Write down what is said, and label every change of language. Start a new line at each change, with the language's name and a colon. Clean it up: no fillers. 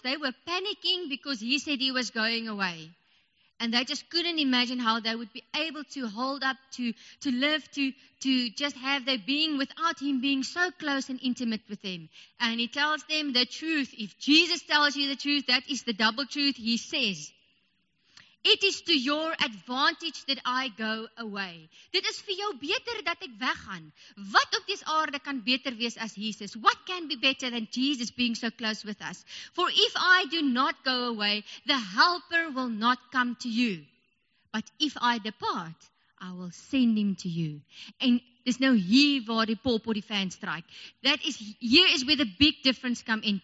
English: They were panicking because he said he was going away. And they just couldn't imagine how they would be able to hold up, to live, to just have their being without him being so close and intimate with them. And he tells them the truth. If Jesus tells you the truth, that is the double truth. He says, it is to your advantage that I go away.
Afrikaans: Dit is vir jou beter dat ek weggaan. Wat op dis aarde kan beter wees as Jesus?
English: What can be better than Jesus being so close with us? For if I do not go away, the helper will not come to you. But if I depart, I will send him to you. And there's no here
Afrikaans: waar die pop
English: or die fan strike. That is, here is where the big difference comes in.